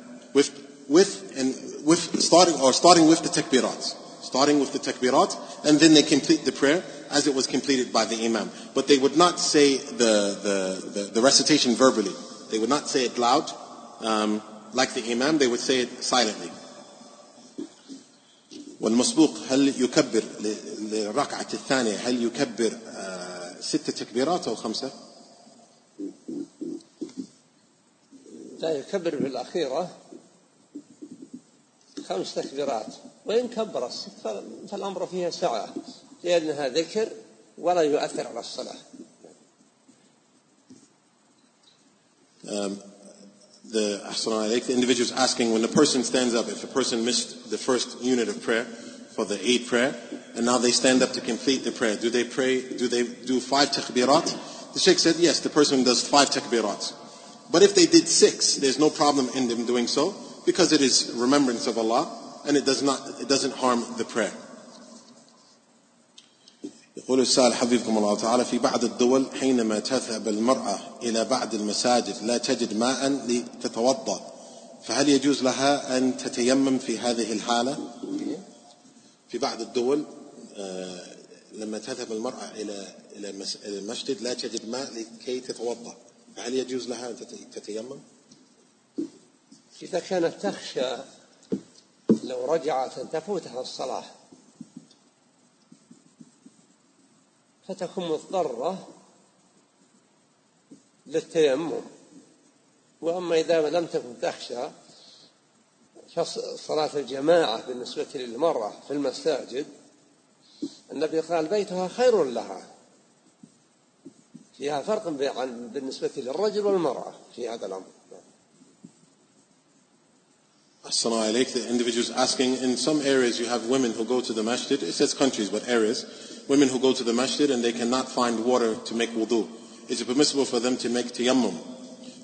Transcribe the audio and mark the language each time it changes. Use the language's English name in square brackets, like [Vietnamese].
[English] Starting with the takbirat, and then they complete the prayer as it was completed by the imam. But they would not say the recitation verbally. They would not say it loud, like the imam. They would say it silently. [Arabic] والمسبوق هل يكبر للركعة الثانية هل يكبر ستة تكبيرات أو خمسة؟ لا يكبر في الأخيرة خمس تكبيرات وإن كبر الست فالأمر فيها سعة لأنها ذكر ولا يؤثر على الصلاة. [English] The individual is asking, when the person stands up, if a person missed the first unit of prayer for the Eid prayer and now they stand up to complete the prayer, do they do five takbirat? The Sheikh said yes, the person does five takbirat, but if they did six, there's no problem in them doing so because it is remembrance of Allah and it doesn't harm the prayer. [Arabic] يقول السائل حفظكم الله تعالى في بعض الدول حينما تذهب المرأة إلى بعض المساجد لا تجد ماء لتتوضأ فهل يجوز لها أن تتيمم في هذه الحالة؟ في بعض الدول لما تذهب المرأة إلى المسجد لا تجد ماء لكي تتوضأ فهل يجوز لها أن تتيمم؟ إذا كانت تخشى لو رجعت أن تفوتها الصلاة فتكون مضطرة للتيمم، وأما إذا لم تكن تخشى صلاة الجماعة بالنسبة للمرأة في المساجد النبي قال بيتها خير لها، فيها فرق بالنسبة للرجل والمرأة في هذا الأمر. As-salamu alaykum. [English] The individual is asking, in some areas you have women who go to the masjid, it says countries but areas, women who go to the masjid and they cannot find water to make wudu, is it permissible for them to make tayammum?